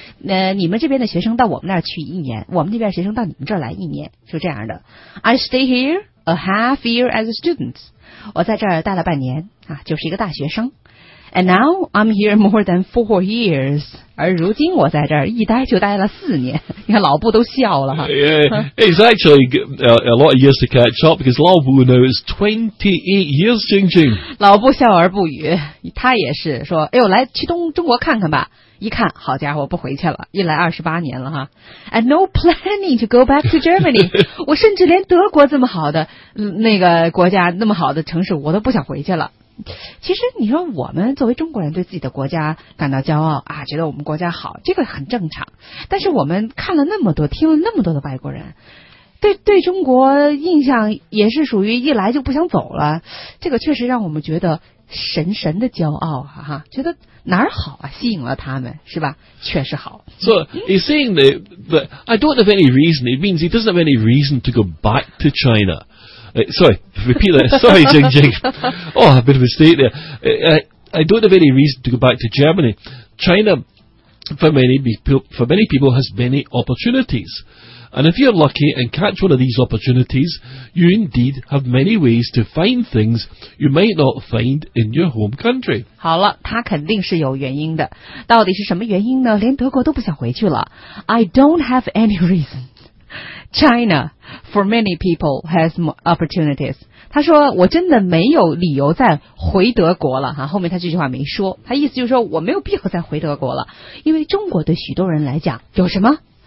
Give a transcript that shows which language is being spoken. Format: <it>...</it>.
<zh>那你们这边的学生到我们那儿去一年，我们这边学生到你们这儿来一年，就这样的。</zh> <en>I stay here a half year as a student，</en> <zh>我在这儿待了半年啊，就是一个大学生。</zh> <en>And now I'm here more than 4 years.</en> <zh>而如今我在这儿一待就待了四年。你看老布都笑了哈。</zh> <en>Yeah, it's actually a lot of years to catch up because 老布 now is 28 years, 静静。</en> <zh>老布笑而不语，他也是说，哎呦，来去中国看看吧。一看，好家伙，不回去了，一来28年了哈。 And no planning to go back to Germany. 我甚至连德国这么好的那个国家，那么好的城市，我都不想回去了。其实你说我们作为中国人对自己的国家感到骄傲啊，觉得我们国家好，这个很正常。但是我们看了那么多，听了那么多的外国人，对中国印象也是属于一来就不想走了，这个确实让我们觉得神神的骄傲啊，哈，觉得哪儿好啊，吸引了他们是吧，确实好。</zh> <en>So he's saying that, but I don't have any reason. It means he doesn't have any reason to go back to China. Sorry, Jing Jing. Oh, a bit of a mistake there. I don't have any reason to go back to Germany. China, for many people, has many opportunities. And if you're lucky and catch one of these opportunities, you indeed have many ways to find things you might not find in your home country.</en> <zh>好了，他肯定是有原因的。到底是什么原因呢？连德国都不想回去了。</zh> <en>I don't have any reason. China, for many people, has more opportunities.</en> <zh>他说我真的没有理由再回德国了哈。后面他这句话没说，他意思就是说我没有必要再回德国了，因为中国对许多人来讲有什么？</zh>